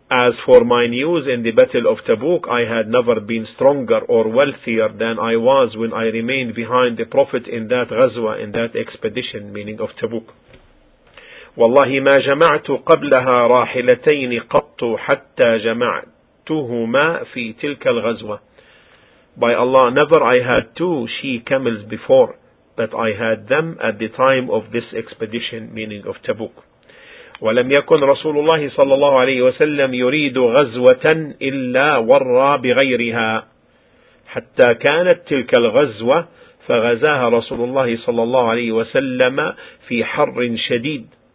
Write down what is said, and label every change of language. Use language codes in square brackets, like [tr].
[en] As for my news in the Battle of Tabuk, I had never been stronger or wealthier than I was when I remained behind the Prophet in that غزوة, in that expedition, meaning of Tabuk. [ar] والله ما جمعت قبلها راحلتين قط حتى جمعتهما في تلك الغزوة. [en] By Allah, never I had two she camels before, but I had them at the time of this expedition, meaning of Tabuk. [ar] ولم يكن رسول الله صلى الله عليه وسلم يريد غزوة إلا ورى بغيرها حتى كانت تلك الغزوة فغزاها رسول الله صلى الله عليه وسلم في حر شديد.